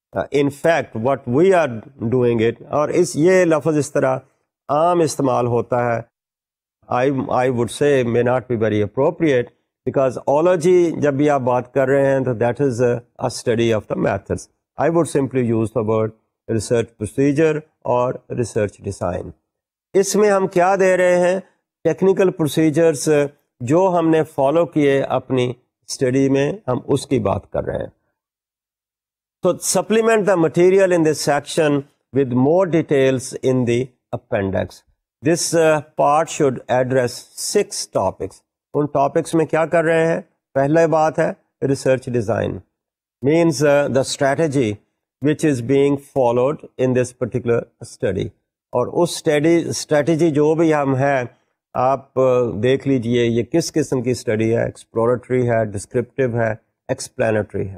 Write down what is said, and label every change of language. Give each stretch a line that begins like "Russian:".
English: in fact what we are doing it,
Urdu: اور اس یہ لفظ اس طرح عام استعمال ہوتا ہے,
English: I would say may not be very appropriate, because ology
Urdu: جب بھی آپ بات کر رہے ہیں تو
English: That is a study of the methods. I would simply use the word research procedure اور research design.
Urdu: اس میں ہم کیا دے رہے ہیں, ٹیکنیکل پروسیجرس جو ہم نے فالو کیے اپنی اسٹڈی میں, ہم اس کی بات کر رہے ہیں.
English: تو supplement the material in this section with more details in the appendix. This part should address six topics.
Urdu: In topics میں کیا کر رہے ہیں, پہلے بات ہے
English: Research design, means the strategy which is being followed in this particular study.
Urdu: اور اس study strategy جو بھی ہم ہیں آپ دیکھ لیجئے یہ کس قسم کی اسٹڈی ہے, ایکسپلورٹری ہے, ڈسکرپٹیو ہے, ایکسپلینٹری ہے.